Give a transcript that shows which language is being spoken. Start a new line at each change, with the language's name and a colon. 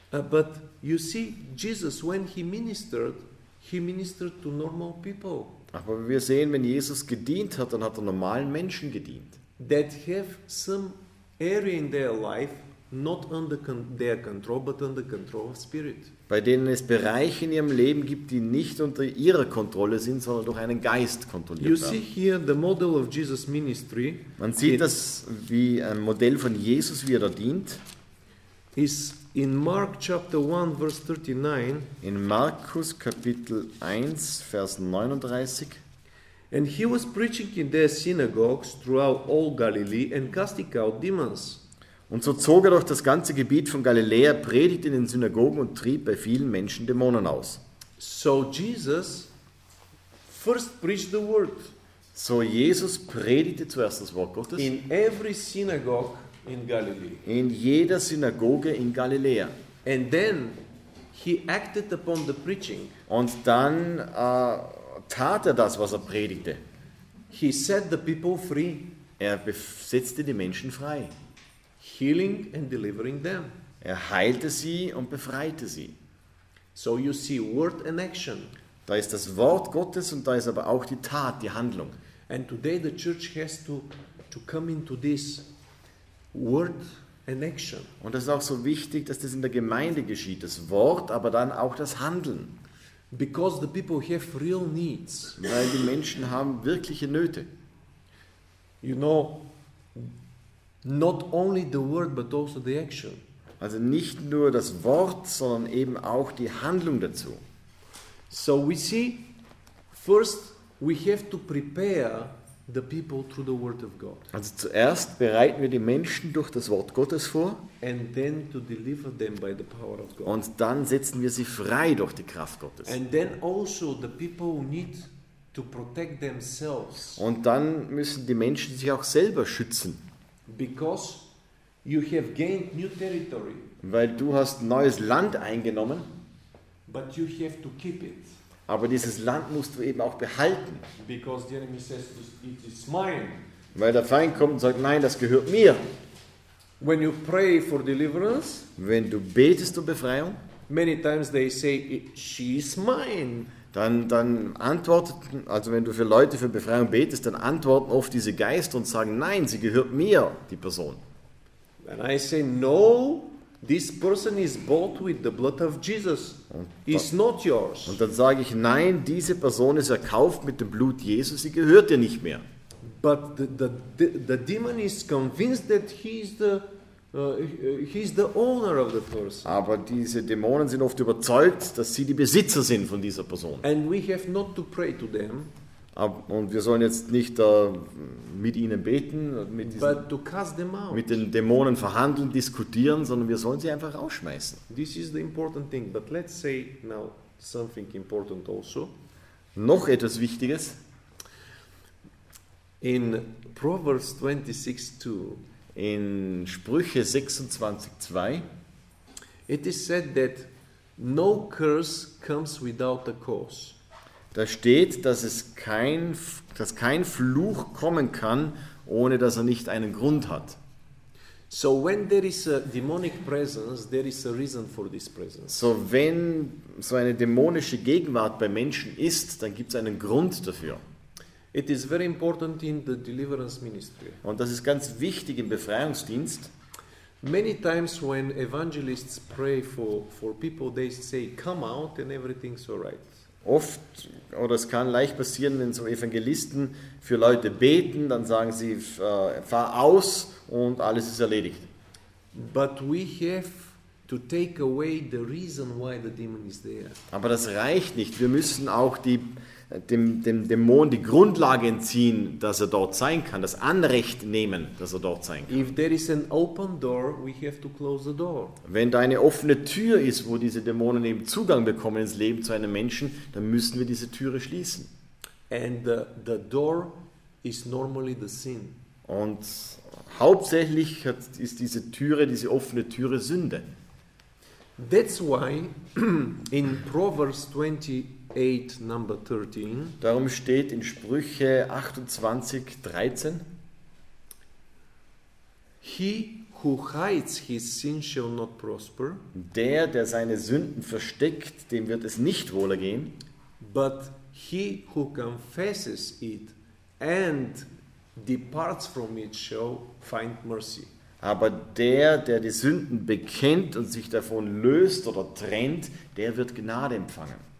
English: But you see, Jesus, when he ministered to normal people.
German: Aber wir sehen, wenn Jesus gedient hat, dann hat er normalen Menschen gedient.
English: That have some area in their life not under their control, but under control of spirit.
German: Bei denen es Bereiche in ihrem Leben gibt, die nicht unter ihrer Kontrolle sind, sondern durch einen Geist kontrolliert
English: you
German: werden.
English: See here the model of Jesus ministry.
German: Man sieht das wie ein Modell von Jesus, wie er da dient.
English: Is in Mark chapter 1 verse 39.
German: In Markus Kapitel 1 Vers 39.
English: And he was preaching in their synagogues throughout all Galilee and casting out demons.
German: Und so zog er durch das ganze Gebiet von Galiläa, predigte in den Synagogen und trieb bei vielen Menschen Dämonen aus.
English: So Jesus first preached the word.
German: So Jesus predigte zuerst das Wort Gottes.
English: In every synagogue in Galilee.
German: In jeder Synagoge in Galiläa.
English: And then he acted upon the preaching.
German: Und dann tat er das, was er predigte.
English: He set the people free.
German: Er setzte die Menschen frei.
English: Healing and delivering them.
German: Er heilte sie und befreite sie.
English: So you see word and action.
German: Da ist das Wort Gottes und da ist aber auch die Tat, die Handlung.
English: And today the church has to come into this word and action.
German: Und das ist auch so wichtig, dass das in der Gemeinde geschieht, das Wort, aber dann auch das Handeln.
English: Because the people have real needs.
German: Weil die Menschen haben wirkliche Nöte.
English: You know, not only the word, but also the action.
German: Also nicht nur das Wort, sondern eben auch die Handlung dazu.
English: So we see, first we have to prepare the people through the word of God.
German: Also zuerst bereiten wir die Menschen durch das Wort Gottes vor.
English: And then to deliver them by the power of God.
German: Und dann setzen wir sie frei durch die Kraft Gottes.
English: And then also the people need to protect themselves.
German: Und dann müssen die Menschen sich auch selber schützen.
English: Because you have gained new territory.
German: Weil du hast neues Land eingenommen.
English: But you have to keep it.
German: Aber dieses Land musst du eben auch behalten.
English: Because the enemy says it is mine.
German: Weil der Feind kommt und sagt, nein, das gehört mir.
English: When you pray for deliverance,
German: wenn du betest um Befreiung,
English: many times they say, she is mine.
German: Dann antwortet, also wenn du für Leute für Befreiung betest, dann antworten oft diese Geister und sagen, nein, sie gehört mir, die Person.
English: And I say, no, this person is bought with the blood of Jesus. It's not yours.
German: Und dann sage ich, nein, diese Person ist erkauft mit dem Blut Jesus, sie gehört dir nicht mehr.
English: But the demon is convinced that he's the owner of the person.
German: Aber diese Dämonen sind oft überzeugt, dass sie die Besitzer sind von dieser Person.
English: And we have not to pray to them.
German: Und wir sollen jetzt nicht mit ihnen beten,
English: but to cast them out.
German: Mit den Dämonen verhandeln, diskutieren, sondern wir sollen sie einfach rausschmeißen.
English: This is the important thing, but let's say now something important also.
German: Noch etwas Wichtiges.
English: In Proverbs 26:2.
German: In Sprüche 26:2.
English: It is said that no curse comes without a cause.
German: Da steht, dass kein Fluch kommen kann, ohne dass er nicht einen Grund hat.
English: So when there is a demonic presence, there is a reason for this presence.
German: So wenn so eine dämonische Gegenwart bei Menschen ist, dann gibt es einen Grund dafür.
English: It is very important in the deliverance ministry.
German: Und das ist ganz wichtig im Befreiungsdienst.
English: Many times when evangelists pray for people, they say, come out and everything's all right.
German: Oft, oder es kann leicht passieren, wenn so Evangelisten für Leute beten, dann sagen sie, fahr aus und alles ist erledigt.
English: But we have to take away the reason why the demon is there.
German: Aber das reicht nicht. Wir müssen auch dem Dämon die Grundlage entziehen, dass er dort sein kann, das Anrecht nehmen, dass er dort sein kann.
English: If there is an open door, we have to close the door.
German: Wenn da eine offene Tür ist, wo diese Dämonen eben Zugang bekommen ins Leben zu einem Menschen, dann müssen wir diese Türe schließen.
English: And the door is normally the sin.
German: Und hauptsächlich ist diese Türe, diese offene Türe Sünde.
English: That's why in Proverbs 28, number 13.
German: Darum steht in Sprüche 28, 13.
English: He who hides his sin shall not prosper.
German: Der seine Sünden versteckt, dem wird es nicht wohlergehen.
English: But he who confesses it and departs from it shall find mercy.
German: Aber der, der die Sünden bekennt und sich davon löst oder trennt, der wird Gnade empfangen.